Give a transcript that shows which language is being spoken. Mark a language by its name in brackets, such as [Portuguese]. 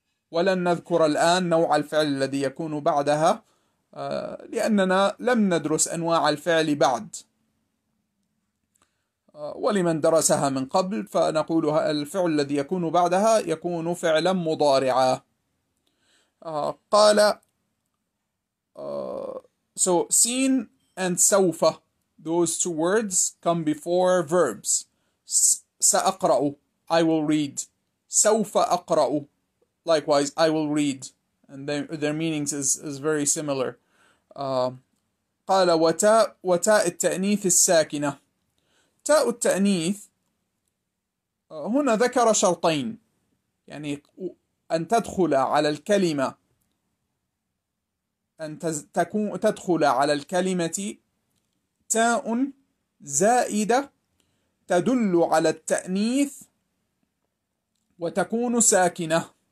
[Arabic] ولن نذكر الآن نوع الفعل الذي يكون بعدها لأننا لم ندرس أنواع الفعل بعد، ولمن درسها من قبل فنقول الفعل الذي يكون بعدها يكون فعلا مضارعا. [English] قال so seen and سوف، those two words come before verbs. سأقرأ I will read، [Arabic] سوف أقرأ [English] likewise I will read، and their meanings is very similar. [Arabic] قال وتاء التأنيث الساكنة، تاء التأنيث هنا ذكر شرطين، يعني أن تدخل على الكلمة، أن تدخل على الكلمة تاء زائدة تدل على التأنيث وتكون ساكنة.